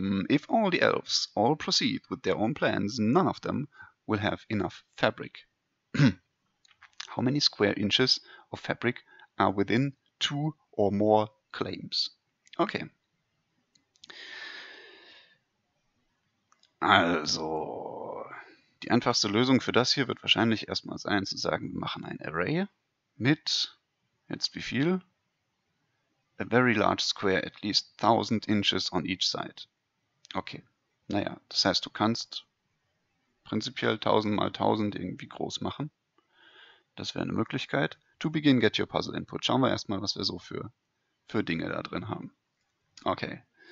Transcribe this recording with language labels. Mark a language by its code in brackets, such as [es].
[en] If all the elves all proceed with their own plans, none of them will have enough fabric. How many square inches of fabric are within two or more claims? Okay. [de] Also, die einfachste Lösung für das hier wird wahrscheinlich erstmal sein zu sagen, wir machen ein Array mit, jetzt wie viel? [en] A very large square, at least 1,000 inches on each side. [de] Okay, naja, das heißt, du kannst prinzipiell 1000 mal 1000 irgendwie groß machen. Das wäre eine Möglichkeit. [en] To begin, get your puzzle input. [de] Schauen wir erstmal, was wir so für Dinge da drin haben. Okay.